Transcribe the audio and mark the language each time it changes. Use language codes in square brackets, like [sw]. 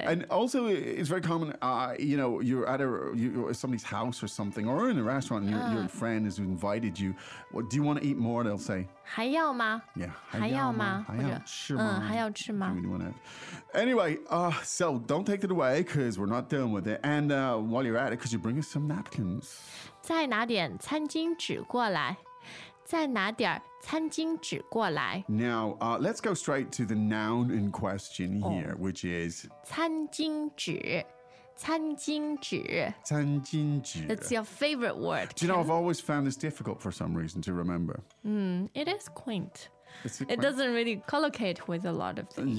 [en] And also, it's very common, you know, you're at somebody's house or something, or in a restaurant, and your friend has invited you. Well, do you want to eat more? They'll say, [zh] 还要吗？ [en] Yeah. [zh] 还要吗？还要吃吗？还要吃吗？ [en] Anyway, so don't take it away, because we're not done with it. And while you're at it, because you bring us some napkins. [zh] 再拿点餐巾纸过来，再拿点餐巾纸过来。 [en] Now, let's go straight to the noun in question here, which is [zh] 餐巾纸，餐巾纸，餐巾纸。 [en] That's your favorite word. Do you know, I've always found this difficult for some reason to remember. It is quaint. It doesn't really collocate with a lot of things.